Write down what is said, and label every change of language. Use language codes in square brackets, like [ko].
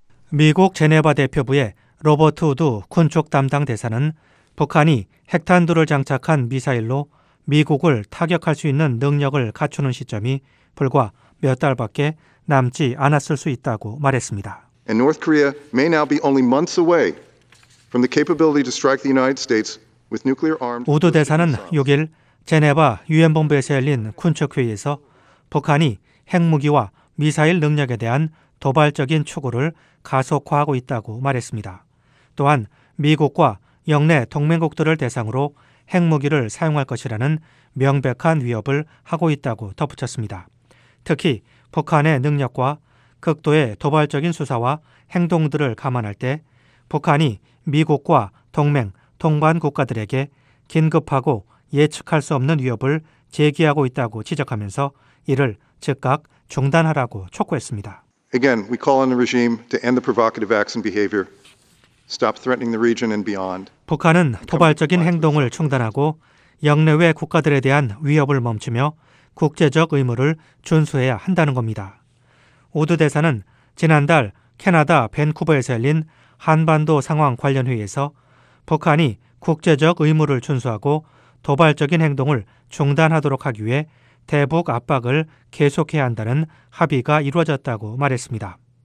[ko] 미국 제네바 대표부의 로버트 우드 군축 담당 대사는 북한이 핵탄두를 장착한 미사일로 미국을 타격할 수 있는 능력을 갖추는 시점이 불과 몇 달밖에 남지 않았을 수 있다고 말했습니다. [en] And North Korea may now be only months away from the capability to strike the United States with nuclear arms. [ko] 우드 대사는 6일 제네바 유엔 본부에서 열린 군축 회의에서 북한이 핵무기와 미사일 능력에 대한 도발적인 추구를 가속화하고 있다고 말했습니다. 또한 미국과 영내 동맹국들을 대상으로 핵무기를 사용할 것이라는 명백한 위협을 하고 있다고 덧붙였습니다. 특히 북한의 능력과 극도의 도발적인 수사와 행동들을 감안할 때 북한이 미국과 동맹, 동반 국가들에게 긴급하고 예측할 수 없는 위협을 제기하고 있다고 지적하면서 이를 즉각 중단하라고 촉구했습니다. [en] Again, we call on the regime to end the provocative acts and behavior. Stop threatening the region and beyond. [ko] 북한은 도발적인 행동을 중단하고 영내외 국가들에 대한 위협을 멈추며 국제적 의무를 준수해야 한다는 겁니다. 우드 대사는 지난달 캐나다 밴쿠버에서 열린 한반도 상황 관련 회의에서 북한이 국제적 의무를 준수하고 도발적인 행동을 중단하도록 하기 위해 대북 압박을 계속해야 한다는 합의가 이루어졌다고 말했습니다.